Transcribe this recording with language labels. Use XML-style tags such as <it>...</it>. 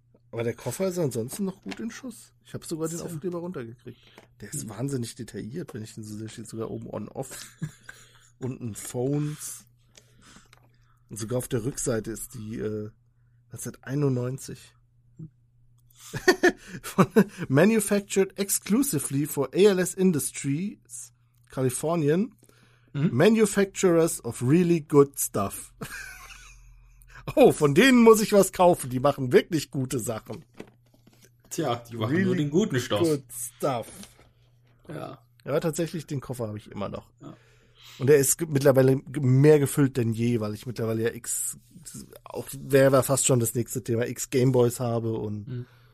<de>Aber der Koffer ist ansonsten noch gut in Schuss. Ich habe sogar den Aufkleber runtergekriegt. Der ist wahnsinnig detailliert, wenn ich den so sehe. Steht sogar oben on-off. Unten Phones. Und sogar auf der Rückseite ist die 1991.</de> <en>Manufactured exclusively for ALS Industries, Californian, manufacturers of really good stuff.</en> <de>Oh, von denen muss ich was kaufen. Die machen wirklich gute Sachen. Tja, die machen really nur den guten Stoff.</de> <en>Good stuff.</en> <de>Ja. Ja, tatsächlich, den Koffer habe ich immer noch. Ja. Und er ist mittlerweile mehr gefüllt denn je, weil ich mittlerweile ja wäre fast schon das nächste Thema, X Gameboys habe und.</de>